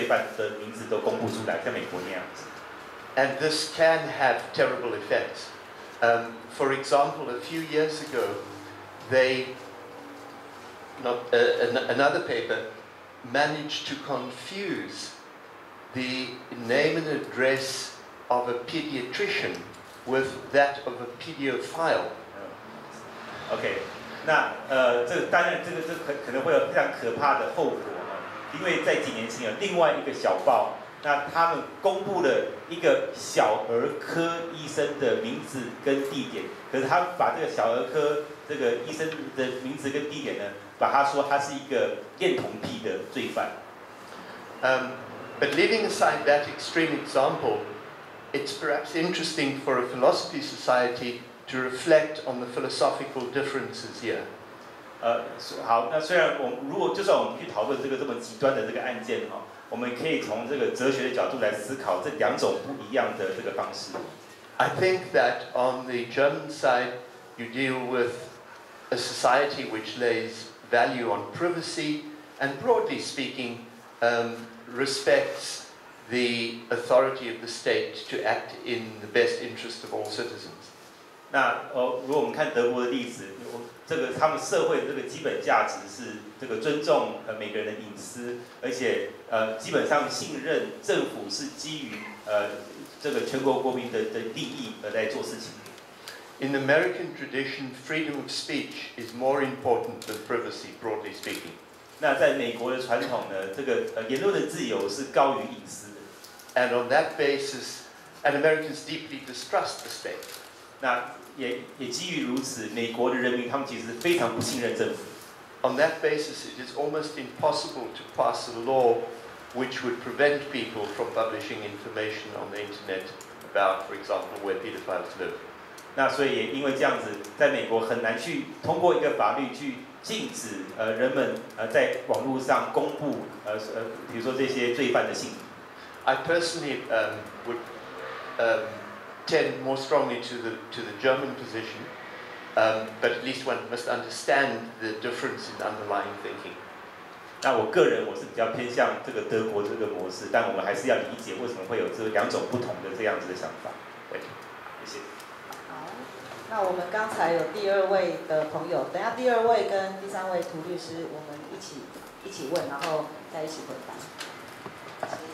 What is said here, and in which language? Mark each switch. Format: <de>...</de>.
<zh>那其中英国有个小报叫《每日邮报》，那它就非常的努力的要政府把所有的这个性罪犯的名字都公布出来，像美国那样子。</zh> <en>And this can have terrible effects. For example, a few years ago, another paper managed to confuse the name and address of a pediatrician with that of a pedophile.</en> <zh>Okay, 那这当然这个可能会有非常可怕的后果，因为在几年前有另外一个小报，那他们公布了一个小儿科医生的名字跟地点，可是他把这个小儿科这个医生的名字跟地点呢。把他说他是一个恋童癖的罪犯。</zh> <en>But leaving aside that extreme example, it's perhaps interesting for a philosophy society to reflect on the philosophical differences here.</en> <zh>好，那虽然我们如果就算我们去讨论这个这么极端的这个案件哈，我们可以从这个哲学的角度来思考这两种不一样的这个方式。</zh> <en>I think that on the German side, you deal with a society which lays value on privacy, and broadly speaking, respects the authority of the state to act in the best interest of all citizens.</en> <zh>那如果我们看德国的例子，这个他们社会的这个基本价值是这个尊重每个人的隐私，而且基本上信任政府是基于这个全国国民 的利益而在做事情。</zh> <en>In the American tradition, freedom of speech is more important than privacy, broadly speaking.</en> <zh>那在美国的传统呢，这个言论的自由是高于隐私的。</zh> <en>And on that basis, and Americans deeply distrust the state.</en> <zh>那也基于如此，美国的人民他们其实非常不信任政府。</zh> <en>On that basis, it is almost impossible to pass a law. Which would prevent people from publishing information on the internet about, for example, where pedophiles live.</en> <zh>那所以也因为这样子，在美国很难去通过一个法律去禁止人们在网络上公布比如说这些罪犯的姓名。</zh> <en>I personally would tend more strongly to the German position, but at least one must understand the difference in underlying thinking.</en> <zh>那我个人我是比较偏向这个德国这个模式，但我们还是要理解为什么会有这两种不同的这样子的想法。对，谢谢。好，那我们刚才有第二位的朋友，等一下第二位跟第三位涂律师，我们一起问，然后再一起回答。</zh>